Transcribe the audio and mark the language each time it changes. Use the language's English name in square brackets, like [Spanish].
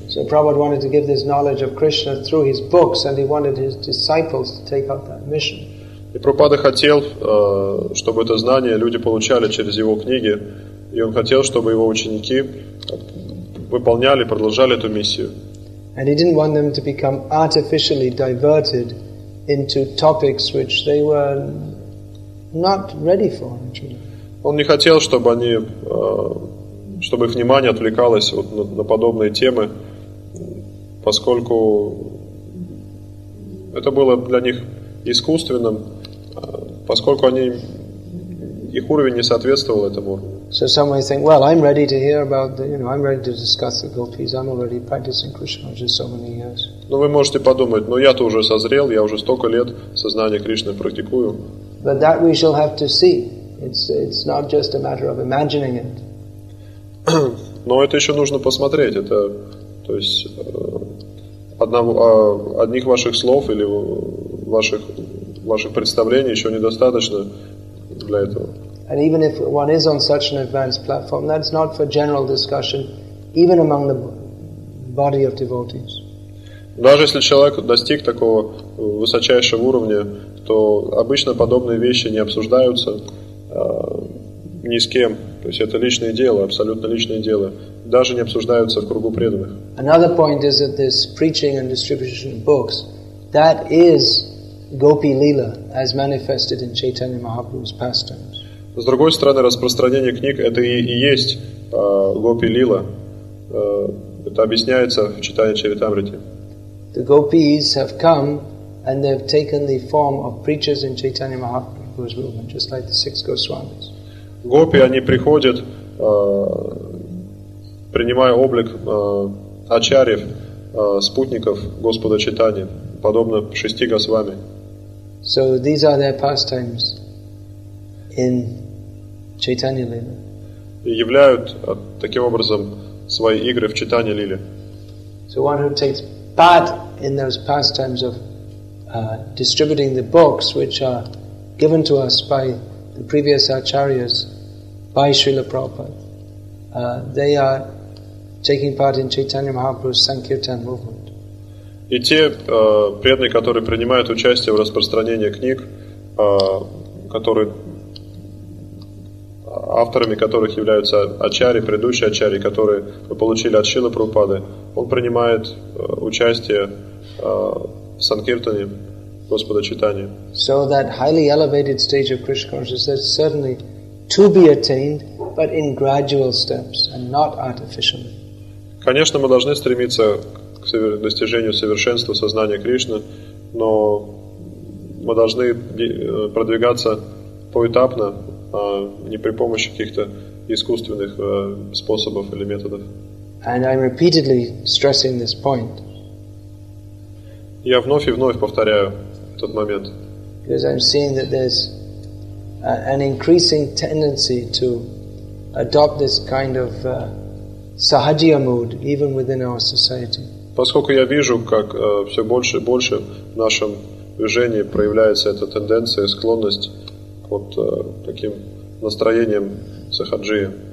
[English] So Prabhupada wanted to give this knowledge of Krishna through his books, and he wanted his disciples to take up that mission. [Russian] И Прабхупада хотел, чтобы это знание люди получали через его книги, и он хотел, чтобы его ученики выполняли, продолжали эту миссию. [English] And he didn't want them to become artificially diverted into topics which they were not ready for, actually. [Russian] Он не хотел, чтобы они, чтобы их внимание отвлекалось вот на подобные темы, поскольку это было для них искусственным, поскольку они, их уровень не соответствовал этому. [English] So some may think, well, I'm ready to hear about the, you know, I'm ready to discuss the gopis. I'm already practicing Krishna for so many years. [Russian] Но вы можете подумать, но я-то уже созрел, я уже столько лет сознание Кришны практикую. [English] But that we shall have to see. It's not just a matter of imagining it. [Russian] Но это еще нужно посмотреть. Это, то есть, одних ваших слов или ваших представлений еще недостаточно для этого. [English] And even if one is on such an advanced platform, that's not for general discussion, even among the body of devotees. [Russian] Даже если человек достиг такого высочайшего уровня, то обычно подобные вещи не обсуждаются ни с кем. То есть это личное дело, абсолютно личное дело. Даже не обсуждаются в кругу преданных. [English] Another point is that this preaching and distribution of books, that is Gopi Lila, as manifested in Chaitanya Mahaprabhu's pastimes. [Russian] С другой стороны, распространение книг – это и есть гопи-лила. Это объясняется в читании Чаритамриты. [English] The gopis have come and they've taken the form of preachers in Chaitanya Mahaprabhu's movement, just like the six Goswamis. [Russian] Гопи, они приходят, принимая облик ачарьев, спутников Господа Чайтаньи, подобно шести Госвами. [English] So these are their pastimes in Chaitanya Lila. [Russian] И являют таким образом свои игры в Чайтанья Лиле. [English] So one who takes part in those pastimes of distributing the books which are given to us by the previous acharyas, by Srila Prabhupada, they are taking part in Chaitanya Mahaprabhu's Sankirtan movement. [Russian] И те преданные, которые принимают участие в распространении книг, которые авторами которых являются ачарьи, предыдущие ачарьи, которые мы получили от Шрилы Прабхупады, он принимает участие в Санкиртане Господа Чайтаньи. [English] So that highly elevated stage of Krishna consciousness is certainly to be attained, but in gradual steps and not artificially. [Russian] Конечно, мы должны стремиться к достижению совершенства сознания Кришны, но мы должны продвигаться поэтапно, не при помощи каких-то искусственных способов или методов. [English] And I'm repeatedly stressing this point. [Russian] Я вновь и вновь повторяю этот момент. [English] Because I'm seeing that there's an increasing tendency to adopt this kind of sahajiya mood even within our society. [Russian] Поскольку я вижу, как все больше и больше в нашем движении проявляется эта тенденция, склонность вот таким настроением сахаджия.